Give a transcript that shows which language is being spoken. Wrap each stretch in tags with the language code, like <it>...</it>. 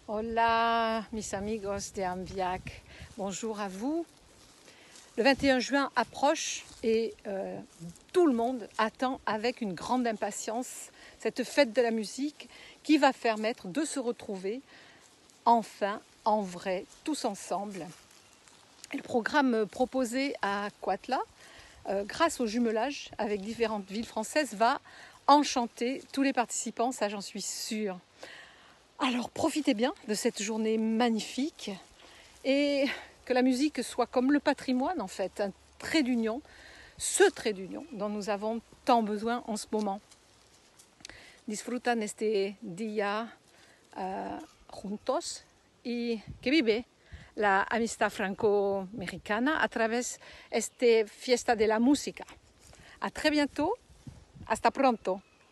<es>Hola, mis amigos de Ambiac.</es> <fr>Bonjour à vous. Le 21 juin approche et tout le monde attend avec une grande impatience cette fête de la musique qui va permettre de se retrouver enfin, en vrai, tous ensemble. Et le programme proposé à Cuautla, grâce au jumelage avec différentes villes françaises, va enchanter tous les participants, ça j'en suis sûre. Alors profitez bien de cette journée magnifique et que la musique soit comme le patrimoine en fait, un trait d'union, ce trait d'union dont nous avons tant besoin en ce moment.</fr> <es>Disfrutan este día juntos y que vive la amistad franco-americana a través esta fiesta de la música.</es> <fr>A très bientôt,</fr> <es>hasta pronto.</es>